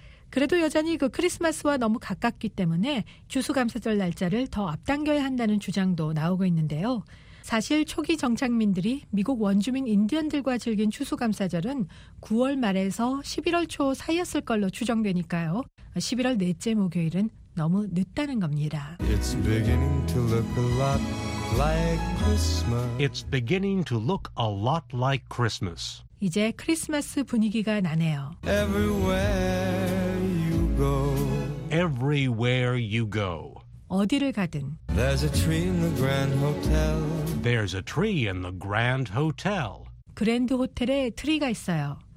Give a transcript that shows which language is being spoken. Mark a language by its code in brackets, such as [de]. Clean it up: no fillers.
[ko] 그래도 여전히 그 크리스마스와 너무 가깝기 때문에 추수감사절 날짜를 더 앞당겨야 한다는 주장도 나오고 있는데요. 사실 초기 정착민들이 미국 원주민 인디언들과 즐긴 추수감사절은 9월 말에서 11월 초 사이였을 걸로 추정되니까요. 11월 넷째 목요일은 너무 늦다는 겁니다. [en] It's beginning to look a lot like Christmas. It's beginning to look a lot like Christmas. [ko] 이제 크리스마스 분위기가 나네요. [en] Everywhere you go. Everywhere you go. [ko] 어디를 가든. [en] There's a tree in the Grand Hotel. There's a tree in the Grand Hotel. [ko] 그랜드 호텔에 트리가 있어요.